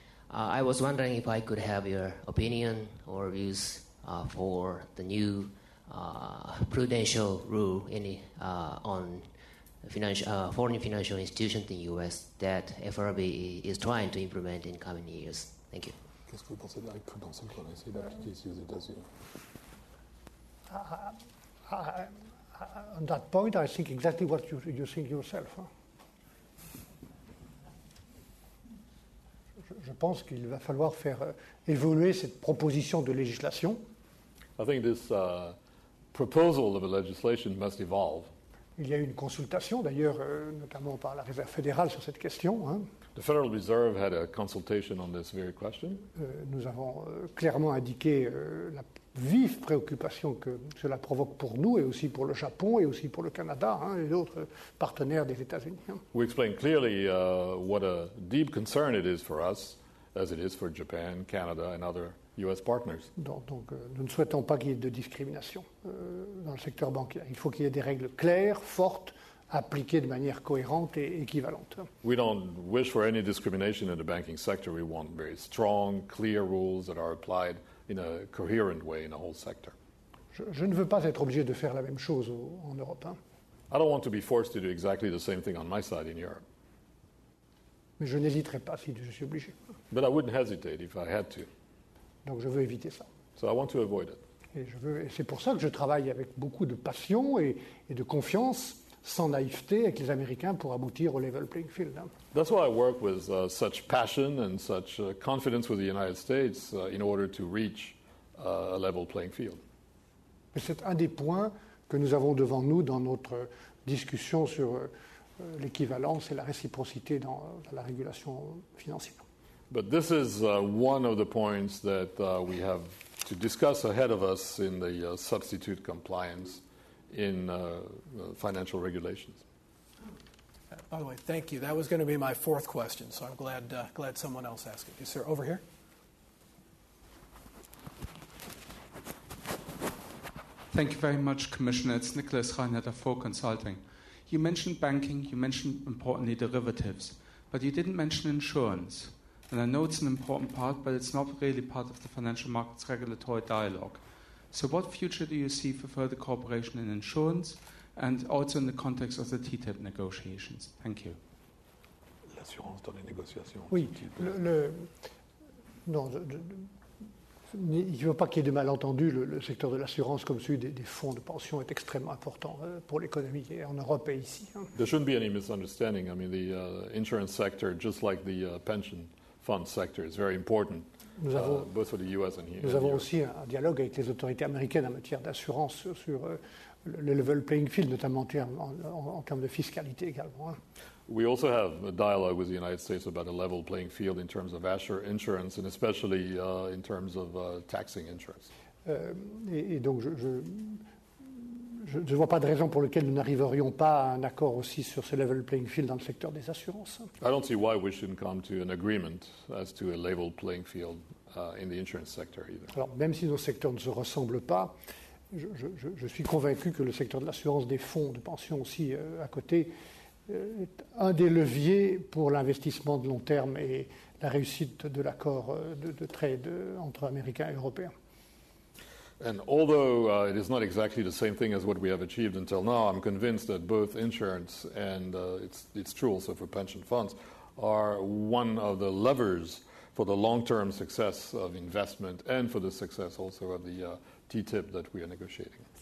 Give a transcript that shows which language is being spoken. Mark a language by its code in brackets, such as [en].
[en] I was wondering if I could have your opinion or views for the new prudential rule on foreign financial institutions in the U.S. that FRB is trying to implement in coming years. Thank you. [fr] Qu'est-ce que vous pensez de la prudential qu'on a essayé d'appliquer ici aux États-Unis? [en] On that point, I think exactly what you think yourself. [fr] Je pense qu'il va falloir faire évoluer cette proposition de législation. [en] I think this proposal of a legislation must evolve. [fr] Il y a eu une consultation, d'ailleurs, notamment par la Réserve fédérale sur cette question. Hein. [en] The Federal Reserve had a consultation on this very question. [fr] Nous avons clairement indiqué la vive préoccupation que cela provoque pour nous et aussi pour le Japon et aussi pour le Canada hein, et d'autres partenaires des États-Unis. Hein. [en] We explained clearly what a deep concern it is for us, as it is for Japan, Canada and other U.S. partners. [fr] Donc nous ne souhaitons pas qu'il y ait de discrimination dans le secteur bancaire. Il faut qu'il y ait des règles claires, fortes, appliquées de manière cohérente et équivalente. [en] We don't wish for any discrimination in the banking sector. We want very strong, clear rules that are applied in a coherent way in the whole sector. [fr] Je ne veux pas être obligé de faire la même chose en Europe. Hein. [en] I don't want to be forced to do exactly the same thing on my side in Europe. [fr] Mais je n'hésiterai pas si je suis obligé. [en] But I wouldn't hesitate if I had to. [fr] Donc je veux éviter ça. [en] So I want to avoid it. [fr] Et c'est pour ça que je travaille avec beaucoup de passion et de confiance, sans naïveté, avec les Américains pour aboutir au level playing field. Hein. [en] That's why I work with such passion and such confidence with the United States in order to reach a level playing field. [fr] Mais c'est un des points que nous avons devant nous dans notre discussion sur l'équivalence et la réciprocité dans la régulation financière. [en] But this is one of the points that we have to discuss ahead of us in the substitute compliance in financial regulations. By the way, thank you. That was going to be my fourth question, so I'm glad someone else asked it. Yes, sir, over here. Thank you very much, Commissioner. It's Nicholas Reinhardt for Consulting. You mentioned banking. You mentioned, importantly, derivatives. But you didn't mention insurance. And I know it's an important part, but it's not really part of the financial markets regulatory dialogue. So what future do you see for further cooperation in insurance and also in the context of the TTIP negotiations? Thank you. [fr] L'assurance dans les négociations. Oui. Non, il ne faut pas qu'il y ait de malentendu. Le secteur de l'assurance comme celui des fonds de pension est extrêmement important pour l'économie et en Europe et ici. [en] There shouldn't be any misunderstanding. I mean, the insurance sector, just like the pension fund sector, is very important. [fr] Nous avons, [en] both for the US and here. [fr] Nous avons aussi un dialogue avec les autorités américaines en matière d'assurance sur le level playing field, notamment en termes de fiscalité également. [en] We also have a dialogue with the United States about a level playing field in terms of insurance and especially in terms of taxing insurance. [fr] Et donc je ne vois pas de raison pour laquelle nous n'arriverions pas à un accord aussi sur ce level playing field dans le secteur des assurances. [en] I don't see why we shouldn't come to an agreement as to a level playing field in the insurance sector either. [fr] Alors, même si nos secteurs ne se ressemblent pas, je suis convaincu que le secteur de l'assurance des fonds de pension aussi à côté est un des leviers pour l'investissement de long terme et la réussite de l'accord de trade entre Américains et Européens. [en] And although it is not exactly the same thing as what we have achieved until now, I'm convinced that both insurance and it's true also for pension funds are one of the levers for the long-term success of investment and for the success also of the TTIP that we are negotiating.